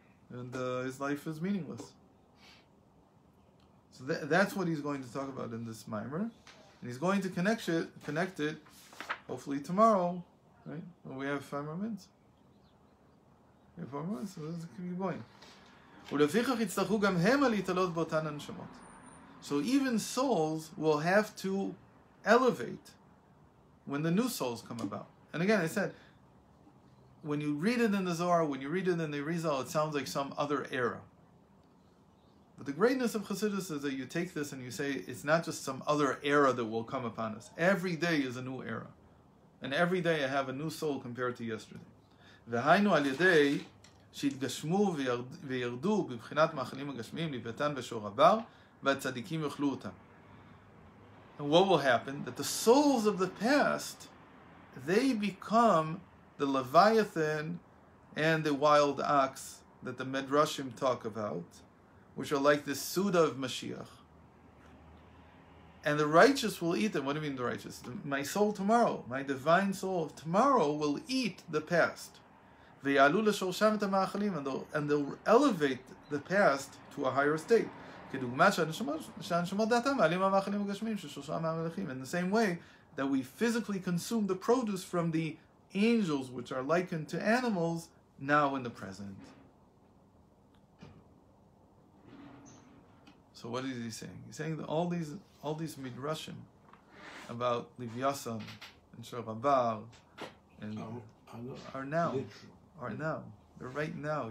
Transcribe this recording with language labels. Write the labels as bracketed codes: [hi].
[en] And his life is meaningless. So that's what he's going to talk about in this mimer. And he's going to connect it, hopefully tomorrow. Right? Well, we have 5 more minutes. We have 4 more minutes, so let's keep going. [he] ולפיכך יצטרכו גם הם להתעלות באותן הנשמות. [en] So even souls will have to elevate when the new souls come about. And again, I said, when you read it in the Zohar, when you read it in the Arizal, it sounds like some other era. But the greatness of Chassidus is that you take this and you say, it's not just some other era that will come upon us. Every day is a new era. And every day I have a new soul compared to yesterday. [he] והיינו על ידי שהתגשמו וירדו בבחינת מאכלים הגשמיים לביתן בשור הבר והצדיקים יאכלו אותם. [en] And what will happen? That the souls of the past, they become the Leviathan and the wild ox that the Midrashim talk about, which are like the Suda of Mashiach. And the righteous will eat them. What do you mean the righteous? My soul tomorrow, my divine soul of tomorrow will eat the past. [he] ויעלו לשורשם את המאכלים, [en] and they'll elevate the past to a higher state. [he] כדוגמת שהנשמות דעתם, מעלים המאכלים הגשמים ששורשם המלכים. [en] In the same way that we physically consume the produce from the angels, which are likened to animals, now in the present. So what is he saying? He's saying that all these midrashim about Livyasan and Shor Habar and are now. They're right now.